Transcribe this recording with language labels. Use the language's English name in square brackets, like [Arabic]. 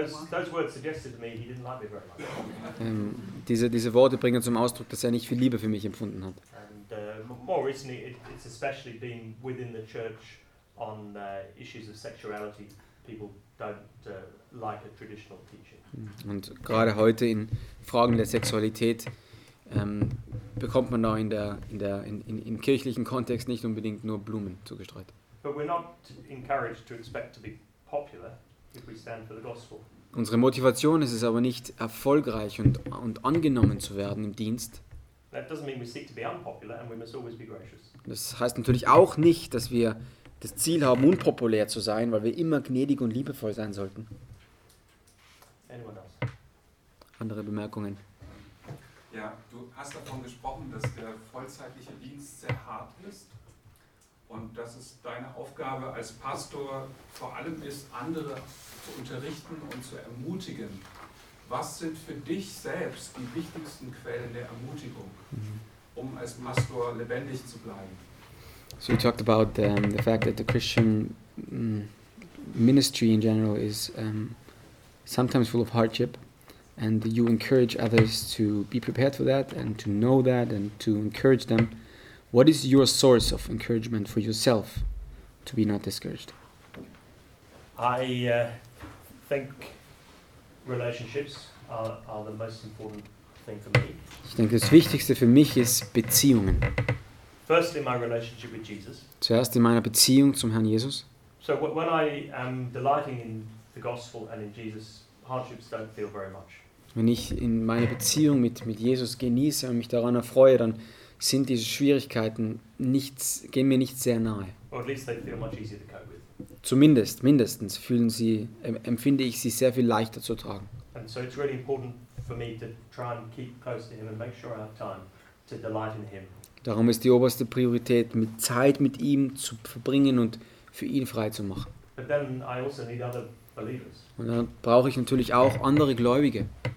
[English] Those words suggested to me he didn't like me very much. [German] Diese Worte bringen zum Ausdruck, dass er nicht viel Liebe für mich empfunden hat. [English] And more recently, it's especially been within the church on issues of sexuality. People don't like a traditional teaching. [German] Und gerade heute in Fragen der Sexualität bekommt man da in kirchlichen Kontext nicht unbedingt nur Blumen zugestreut. [English] But we're not encouraged to expect to be popular if we stand for the gospel. [German] Unsere Motivation ist es aber nicht, erfolgreich und angenommen zu werden im Dienst. [English] That doesn't mean we seek to be unpopular and we must always be gracious. [German] Das heißt natürlich auch nicht, dass wir das Ziel haben, unpopulär zu sein, weil wir immer gnädig und liebevoll sein sollten. [English] Anyone else? [German] Andere Bemerkungen? Ja, du hast davon gesprochen, dass der vollzeitliche Dienst sehr hart ist und dass es deine Aufgabe als Pastor vor allem ist, andere zu unterrichten und zu ermutigen. Was sind für dich selbst die wichtigsten Quellen der Ermutigung, um als Pastor lebendig zu bleiben? [English] So you talked about the fact that the Christian ministry in general is sometimes full of hardship, and you encourage others to be prepared for that and to know that and to encourage them. What is your source of encouragement for yourself to be not discouraged? I think relationships are the most important thing for me. [German] Ich denke, das Wichtigste für mich ist Beziehungen. [English] Firstly, my relationship with Jesus. [German] Zuerst in meiner Beziehung zum Herrn Jesus. [English] So when I am delighting in the gospel and in Jesus, hardships don't feel very much. [German] Wenn ich in meine Beziehung mit Jesus genieße und mich daran erfreue, dann sind diese Schwierigkeiten gehen mir nicht sehr nahe. [English] Or at least they feel much easier to cope with. [German] Zumindest, mindestens fühlen sie, empfinde ich sie sehr viel leichter zu tragen. [English] And so it's really important for me to try and keep close to him and make sure I have time to delight in him. [German] Darum ist die oberste Priorität, mit Zeit mit ihm zu verbringen und für ihn frei zu machen. [English] But then I also need other believers. [German] Und dann brauche ich natürlich auch andere Gläubige.